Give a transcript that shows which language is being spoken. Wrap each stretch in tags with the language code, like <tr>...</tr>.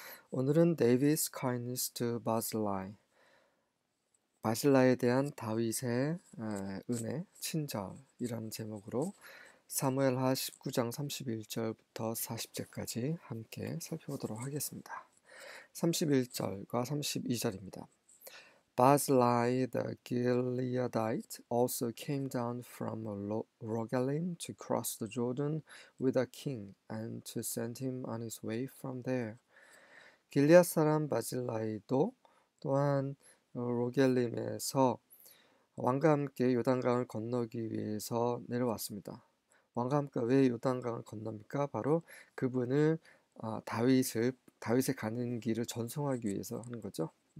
<ko>오늘은</ko> <en>David's Kindness to Barzillai.</en> <ko>바실라에 대한 다윗의 은혜, 친절이라는 제목으로 사무엘하 19장 31절부터 40절까지 함께 살펴보도록 하겠습니다. 31절과 32절입니다.</ko> <en>Barzillai the Gileadite also came down from Rogelim to cross the Jordan with a king and to send him on his way from there.</en> <ko>길리앗 사람 바질라이도 또한 로겔림에서 왕과 함께 요단강을 건너기 위해서 내려왔습니다. 왕과 함께 왜 요단강을 건넙니까? 바로 그분을 다윗의 가는 길을 전송하기 위해서 하는 거죠.</ko>